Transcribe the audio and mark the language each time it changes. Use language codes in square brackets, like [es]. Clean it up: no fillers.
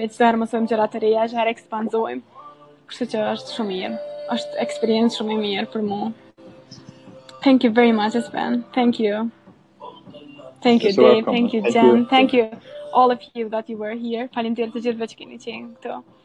[sq] Çdo herë mësojmë gjëra të reja, çdo herë ekspanzojmë. Kështu që është shumë mirë. Është eksperiencë shumë e mirë për mua. [en] Thank you very much, Espen. Thank you. Thank you, Dave. Thank you, Jen. Thank you, all of you that you were here. [sq] Falindir të gjithve që keni qenë këtu.